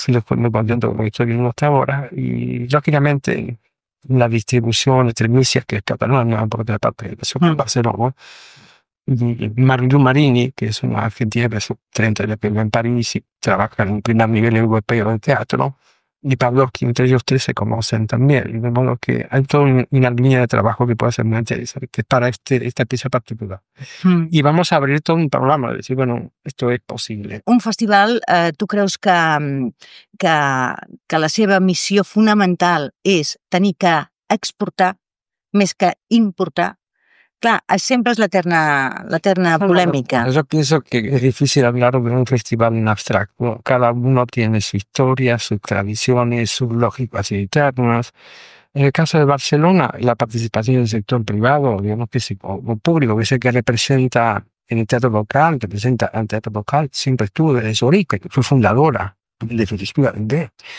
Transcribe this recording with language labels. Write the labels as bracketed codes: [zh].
[es] Después me contento con la historia hasta ahora. Y lógicamente, la distribución entre Misias, que es catalana, por otra parte, de Barcelona, Marlu Marini, que es una argentina de 30 años que vive en París y trabaja en un primer nivel europeo de teatro. Y Pavlovski, entre ellos tres se conocen también, de modo que hay toda una línea de trabajo que puede ser muy interesante para esta pieza particular. Y vamos a abrir todo un programa, de decir, bueno, esto es posible. [ca] Un festival, tu creus que la seva missió fonamental és tenir que exportar més que importar? Clar, sempre és l'eterna polèmica. [es] Yo pienso que es difícil hablar de un festival en abstracto. Cada uno tiene su historia, sus tradiciones, sus lógicas internas. En el caso de Barcelona, la participación del sector privado, digamos que sí, o público, que es el que representa en el teatro local, representa al teatro local, siempre estuvo desde su origen, que fue fundadora de la estructura del GREC.